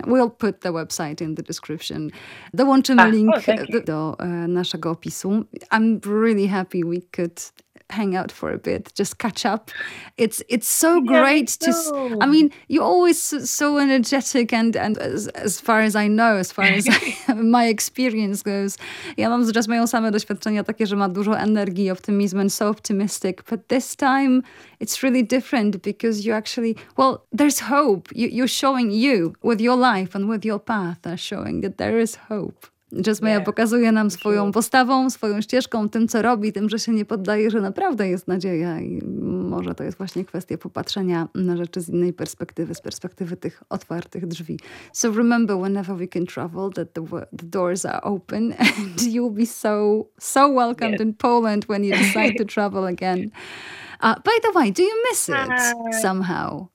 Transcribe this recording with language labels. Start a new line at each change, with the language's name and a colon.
English: We'll put the website in the description.
Polish: Dołączymy link do naszego opisu.
English: I'm really happy we could hang out for a bit, just catch up. It's so great to... I mean, you're always so energetic and as far as I know, as far as my experience goes.
Polish: Ja mam z Jasmine same doświadczenia takie, że ma dużo energii,
English: optimism and so optimistic. But this time, it's really different because you actually... Well, there's hope. You're showing you with your life and with your path are showing that there is hope.
Polish: Jasmine pokazuje nam swoją postawą, swoją ścieżką, tym, co robi, tym, że się nie poddaje, że naprawdę jest nadzieja i może to jest właśnie kwestia popatrzenia na rzeczy z innej perspektywy, z perspektywy tych otwartych drzwi.
English: So remember, whenever we can travel, that the doors are open and you'll be so, so welcomed in Poland when you decide to travel again. By the way, do you miss it somehow?